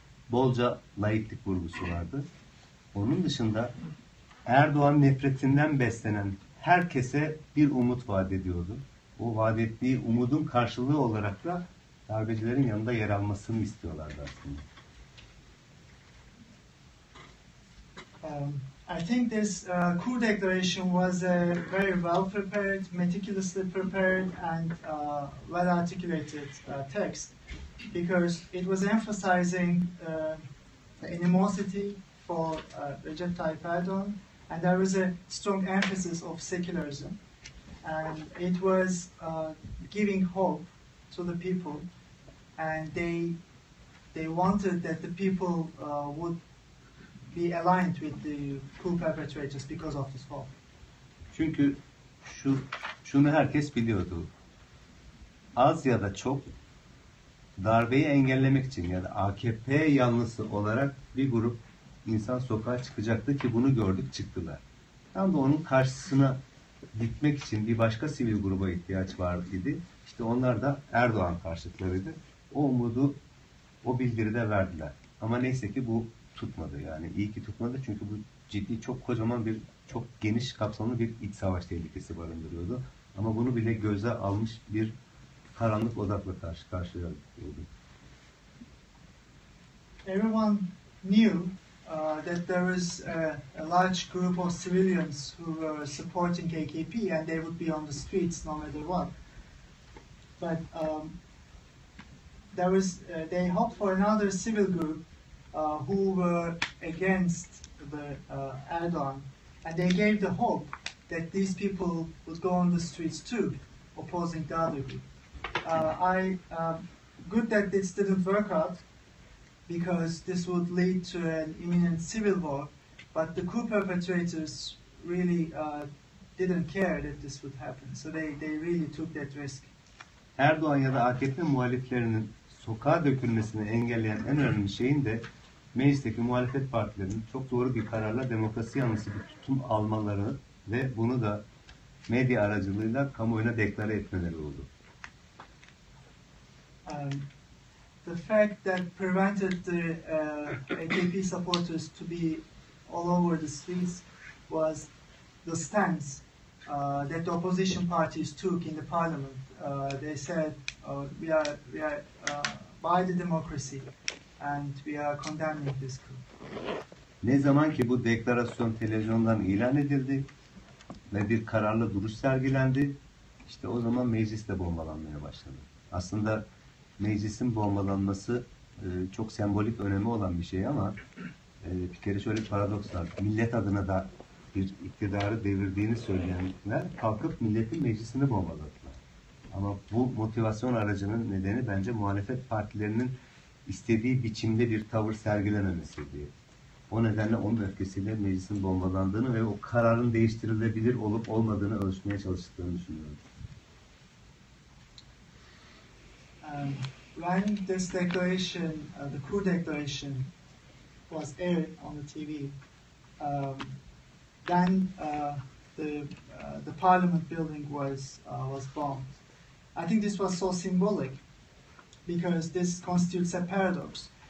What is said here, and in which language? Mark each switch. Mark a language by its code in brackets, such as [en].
[tr] Bolca laiklik vurgusu vardı. Onun dışında Erdoğan nefretinden beslenen herkese bir umut vaat ediyordu. O vaat ettiği umudun karşılığı olarak da darbecilerin yanında yer almasını istiyorlardı aslında. [en] I think this coup declaration was very well prepared, meticulously prepared, and well articulated text, because it was emphasizing the animosity for Recep Tayyip Erdoğan, and there was a strong emphasis of secularism, and it was giving hope to the people, and they wanted that the people would be aligned with the coup perpetrators because of this hope. [tr] Çünkü şunu herkes biliyordu. Az ya da çok darbeyi engellemek için ya da AKP yanlısı olarak bir grup insan sokağa çıkacaktı ki bunu gördük, çıktılar. Tam da onun karşısına gitmek için bir başka sivil gruba ihtiyaç vardı. İşte onlar da Erdoğan karşıtlarıydı. O umudu o bildiride verdiler. Ama neyse ki bu tutmadı yani. İyi ki tutmadı çünkü bu ciddi, çok kocaman bir, çok geniş kapsamlı bir iç savaş tehlikesi barındırıyordu. Ama bunu bile göze almış bir karanlık odakla karşı karşıya oldu. [en] Everyone knew that there was a large group of civilians who were supporting AKP and they would be on the streets no matter what. But they hoped for another civil group who were against the Erdoğan, and they gave the hope that these people would go on the streets too, opposing the other group. Good that this didn't work out, because this would lead to an imminent civil war, but the coup perpetrators really didn't care that this would happen, so they really took that risk. [tr] Erdoğan ya da AKP muhaliflerinin sokağa dökülmesini engelleyen en önemli şeyin de meclisteki muhalefet partilerinin çok doğru bir kararla demokrasi yanlısı bir tutum almaları ve bunu da medya aracılığıyla kamuoyuna deklare etmeleri oldu. [en] The fact that prevented the AKP supporters to be all over the streets was the stance that the opposition parties took in the parliament. They said, we are by the democracy and we are condemning this coup. [tr] Ne zaman ki bu deklarasyon televizyondan ilan edildi ve bir kararlı duruş sergilendi, işte o zaman meclis de bombalanmaya başladı. Aslında meclisin bombalanması çok sembolik önemi olan bir şey ama bir kere şöyle bir paradoks var. Millet adına da bir iktidarı devirdiğini söyleyenler kalkıp milletin meclisini bombaladılar. Ama bu motivasyon aracının nedeni bence muhalefet partilerinin istediği biçimde bir tavır sergilememesiydi. O nedenle onun öfkesiyle meclisin bombalandığını ve o kararın değiştirilebilir olup olmadığını ölçmeye çalıştığını düşünüyorum. [en] when this declaration, the coup declaration, was aired on the TV, then the parliament building was bombed. I think this was so symbolic because this constitutes a paradox.